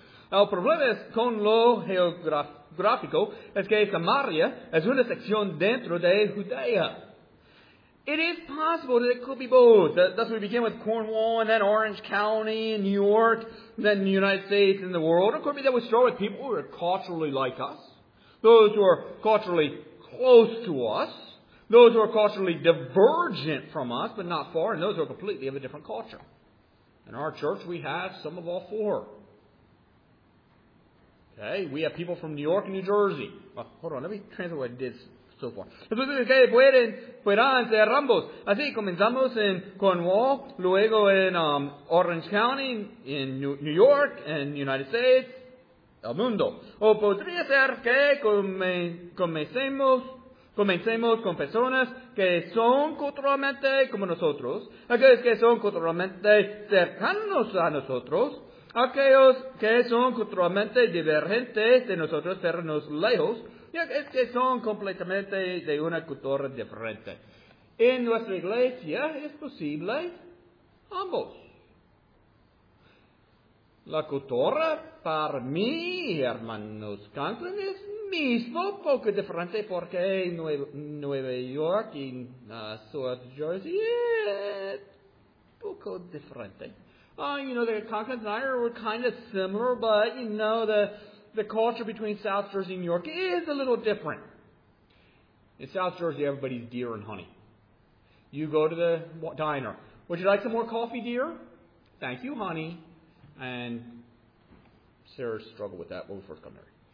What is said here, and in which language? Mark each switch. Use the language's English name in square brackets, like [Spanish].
[Spanish] El problema es con lo geográfico es que Samaria es una sección dentro de Judea. [English] It is possible that it could be both. Thus, we begin with Cornwall and then Orange County and New York, and then the United States and the world. It could be that we start with people who are culturally like us, those who are culturally close to us, those who are culturally divergent from us, but not far, and those who are completely of a different culture. In our church, we have some of all four. Okay, we have people from New York and New Jersey. Hold on, let me translate what I did. [Spanish] Entonces, que puedan ser ambos. Así, comenzamos en Cornwall, luego en Orange County, en New York, en United States, el mundo. O podría ser que comencemos con personas que son culturalmente como nosotros, aquellos que son culturalmente cercanos a nosotros, aquellos que son culturalmente divergentes de nosotros, pero nos lejos, es que son completamente de una cultura diferente. En nuestra iglesia es posible ambos. La cultura para mí, hermanos Conklin, es mismo poco diferente porque Nueva York y South Jersey es poco diferente. [English] The Conklin and I were kind of similar, but the culture between South Jersey and New York is a little different. In South Jersey, everybody's deer and honey. You go to the diner. Would you like some more coffee, dear? Thank you, honey. And Sarah struggled with that when we first got married.